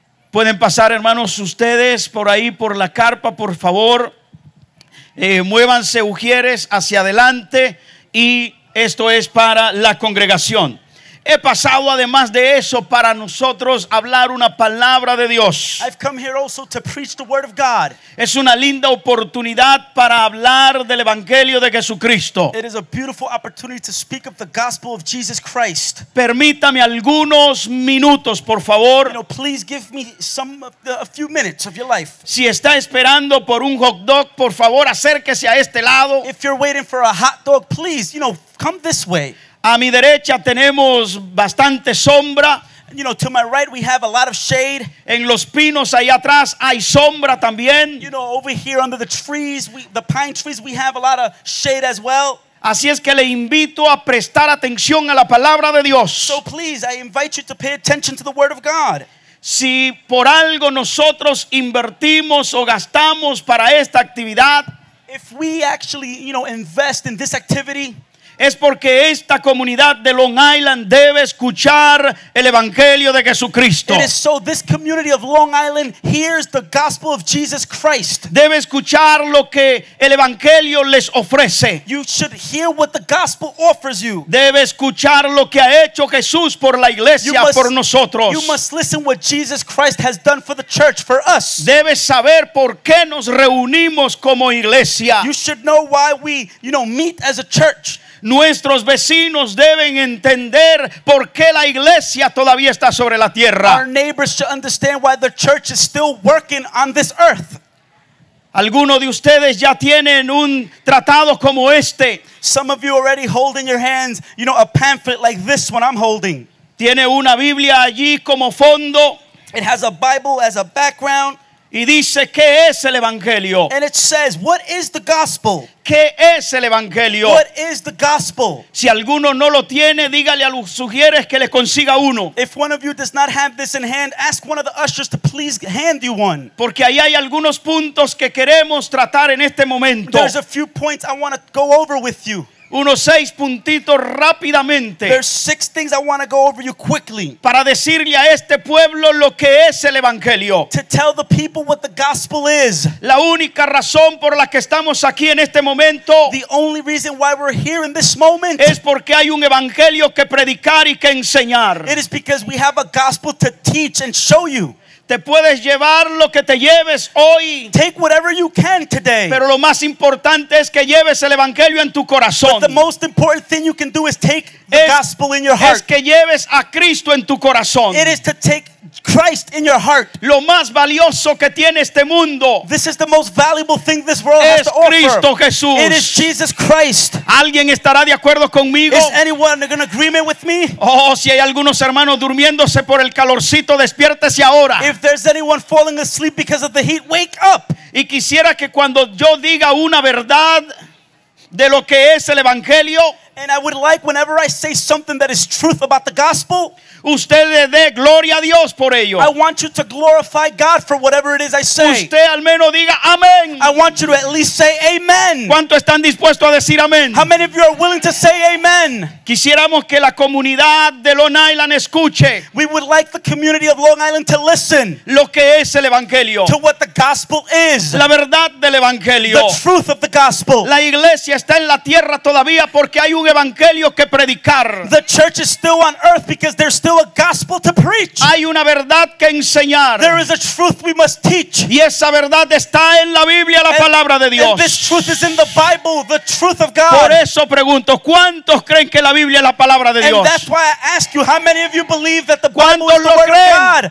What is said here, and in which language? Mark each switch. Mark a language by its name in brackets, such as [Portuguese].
[Spanish] Pueden pasar, hermanos, ustedes por ahí, por la carpa, por favor. Muévanse ujieres hacia adelante y esto es para la congregación. He pasado además de eso para nosotros hablar una palabra de Dios. [English] I've come here also to preach the word of God. [Spanish] Es una linda oportunidad para hablar del Evangelio de Jesucristo. [English] It is a beautiful opportunity to speak of the gospel of Jesus Christ. [Spanish] Permítame algunos minutos, por favor. [English] You know, please give me some of a few minutes of your life. [Spanish] Si está esperando por un hot dog, por favor, acérquese a este lado. [English] If you're waiting for a hot dog, please, you know, come this way. [Spanish] A mi derecha tenemos bastante sombra. [English] You know, to my right we have a lot of shade. [Spanish] En los pinos allá atrás hay sombra también. [English] You know, over here under the trees, the pine trees, we have a lot of shade as well. [Spanish] Así es que le invito a prestar atención a la palabra de Dios. [English] So please, I invite you to pay attention to the word of God. [Spanish] Si por algo nosotros invertimos o gastamos para esta actividad, [English] if we actually, you know, invest in this activity, [Spanish] es porque esta comunidad de Long Island debe escuchar el Evangelio de Jesucristo. [English] It is so this community of Long Island hears the gospel of Jesus Christ. [Spanish] Debe escuchar lo que el Evangelio les ofrece. [English] You should hear what the gospel offers you. [Spanish] Debe escuchar lo que ha hecho Jesús por la iglesia, por nosotros. [English] You must listen what Jesus Christ has done for the church, for us. [Spanish] Debe saber por qué nos reunimos como iglesia. [English] You should know why we, you know, meet as a church. [Spanish] Nuestros vecinos deben entender por qué la iglesia todavía está sobre la tierra. [English] Our neighbors should understand why the church is still working on this earth. [Spanish] Algunos de ustedes ya tienen un tratado como este. [English] Some of you already hold in your hands, you know, a pamphlet like this one I'm holding. [Spanish] Tiene una Biblia allí como fondo. [English] It has a Bible as a background. [Spanish] Y dice qué es el evangelio. [English] And it says, what is the gospel? [Spanish] ¿Qué es el evangelio? [English] What is the gospel? [Spanish] Si alguno no lo tiene, dígale a los sugieres que le consiga uno. [English] If one of you does not have this in hand, ask one of the ushers to please hand you one. [Spanish] Porque ahí hay algunos puntos que queremos tratar en este momento. [English] There's a few points I want to go over with you. [Spanish] Unos seis puntitos rápidamente. [English] There's six things I want to go over you quickly. [Spanish] Para decirle a este pueblo lo que es el evangelio. [English] To tell the people what the gospel is. [Spanish] La única razón por la que estamos aquí en este momento. [English] The only reason why we're here in this moment. [Spanish] Es porque hay un evangelio que predicar y que enseñar. [English] It is because we have a gospel to teach and show you. [Spanish] Te puedes llevar lo que te lleves hoy. [English] Take whatever you can today. [Spanish] Pero lo más importante es que lleves el evangelio en tu corazón. [English] But the most important thing you can do is take the gospel in your heart. [Spanish] Es que lleves a Cristo en tu corazón. [English] It is to take Christ in your heart. [Spanish] Lo más valioso que tiene este mundo. [English] This is the most valuable thing this world [Spanish] es [English] has to offer. [Spanish] Cristo Jesús. [English] It is Jesus Christ. [Spanish] ¿Alguien estará de acuerdo conmigo? [English] Is anyone in agreement with me? [Spanish] Oh, si hay algunos hermanos durmiéndose por el calorcito, despiértese ahora. [English] If there's anyone falling asleep because of the heat, wake up. [Spanish] Y quisiera que cuando yo diga una verdad de lo que es el evangelio, [English] and I would like whenever I say something that is truth about the gospel, [Spanish] usted le dé gloria a Dios por ello. [English] I want you to glorify God for whatever it is I say. [Spanish] Usted al menos diga amén. [English] I want you to at least say amen. [Spanish] ¿Cuánto están dispuestos a decir amén? [English] How many of you are willing to say amen? [Spanish] Quisiéramos que la comunidad de Long Island escuche. [English] We would like the community of Long Island to listen. [Spanish] Lo que es el evangelio. [English] To what the gospel is. [Spanish] La verdad del evangelio. [English] The truth of the gospel. [Spanish] La iglesia está en la tierra todavía porque hay un evangelio que predicar. [English] The church is still on earth because there's still a gospel to preach. [Spanish] Hay una verdad que enseñar. [English] There is a truth we must teach. [Spanish] Y esa verdad está en la Biblia, la palabra de Dios. [English] And this truth is in the Bible, the truth of God. [Spanish] Por eso pregunto, ¿cuántos creen que la Biblia es la palabra de Dios? [English] And that's why I ask you, how many of you believe that the Bible is the word of God?